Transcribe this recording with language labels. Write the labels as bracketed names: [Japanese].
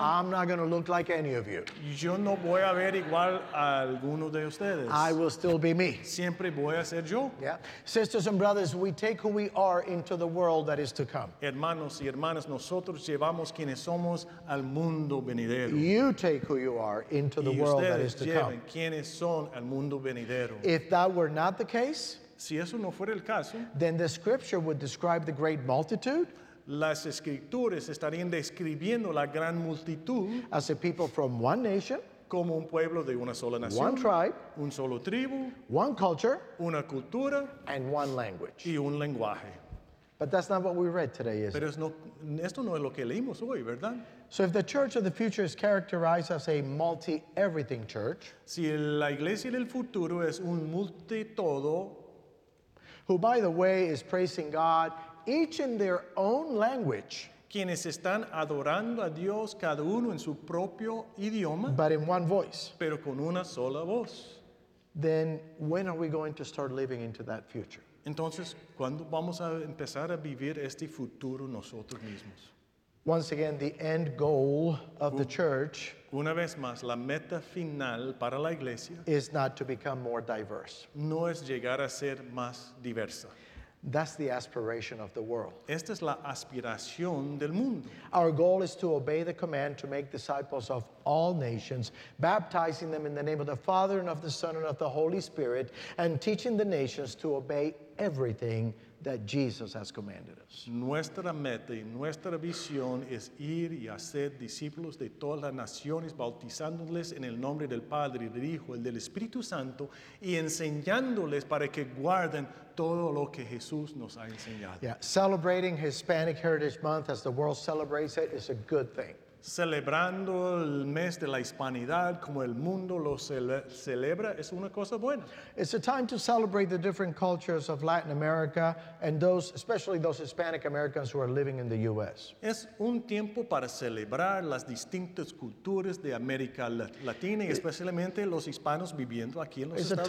[English] I'm not going to look like any of you. [Spanish] Yo no voy a ver igual. [English] I will still be me. [Spanish] Siempre voy a ser yo. [English] Yeah. Sisters and brothers, we take who we are into the world that is to come. [Spanish] Hermanos y hermanas, nosotros llevamos quienes somos al mundo venidero. [English] You take who you are into the world that is to come. [Spanish] Y ustedes lleven quienes son al mundo venidero. [English] If that were not the case, [Spanish] si eso no fuera el caso, [English] then the scripture would describe the great multitude. [Spanish] Las escrituras estarían describiendo la gran multitud [English] as a people from one nation. [Spanish] Como un pueblo de una sola nación, [English] one tribe, [Spanish] un solo tribu, [English] one culture, [Spanish] una cultura, [English] and one language. [Spanish] Y un lenguaje. [English] But that's not what we read today, is [Spanish] pero es no, esto no es lo que leímos hoy, ¿verdad? [English] So if the church of the future is characterized as a multi-everything church, [Spanish] si la iglesia del futuro es un multi-todo, [English] who, by the way, is praising God each in their own language, [Spanish] quienes están adorando a Dios cada uno en su propio idioma, [English] but in one voice, [Spanish] pero con una sola voz, [English] then when are we going to start living into that future? [Spanish] Entonces, ¿cuándo vamos a empezar a vivir este futuro nosotros mismos? [English] Once again, the end goal of the church [Spanish] una vez más, la meta final para la iglesia [English] is not to become more diverse. [Spanish] No es llegar a ser más diversa. [English] That's the aspiration of the world. [Spanish] Esta es la aspiración del mundo. [English] Our goal is to obey the command to make disciples of all nations, baptizing them in the name of the Father and of the Son and of the Holy Spirit, and teaching the nations to obey everything that Jesus has commanded us. [Spanish] Nuestra meta y nuestra visión es ir y hacer discípulos de todas las naciones, bautizándoles en el nombre del Padre, del Hijo, y del Espíritu Santo, y enseñándoles para que guarden todo lo que Jesús nos ha enseñado. [English] Yeah, celebrating Hispanic Heritage Month as the world celebrates it is a good thing. [Spanish] Celebrando el mes de la Hispanidad como el mundo lo celebra es una cosa buena. [English] It's a time to celebrate the different cultures of Latin America and those, especially those Hispanic Americans who are living in the U.S. [Spanish] Es un tiempo para celebrar las distintas culturas de América Latina y especialmente los hispanos viviendo aquí en los Estados Unidos.